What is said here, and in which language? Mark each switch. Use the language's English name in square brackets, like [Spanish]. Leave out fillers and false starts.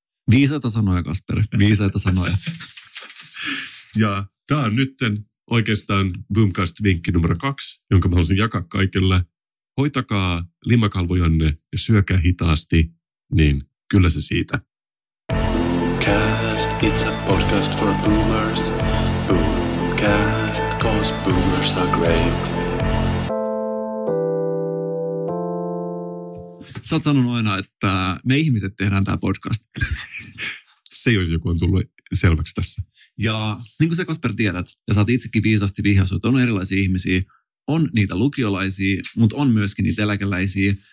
[Finnish] Viisaita sanoja, Kasper. Viisaita sanoja. Ja tämä on nytten oikeastaan Boomcast-vinkki numero 2, jonka mä haluaisin jakaa kaikille. Hoitakaa limakalvojanne ja syökää hitaasti, niin kyllä se siitä. [English] Boomcast, it's a podcast for boomers. Boomcast, cause boomers are great. [Finnish] Sä oot sanonut aina, että me ihmiset tehdään tää podcast. Se on joku on tullut selväksi tässä. Ja niin kuin sä Kasper tiedät, ja sä oot itsekin viisasti vihjassut, on erilaisia ihmisiä. On niitä lukiolaisia, mutta on myöskin niitä eläkeläisiä.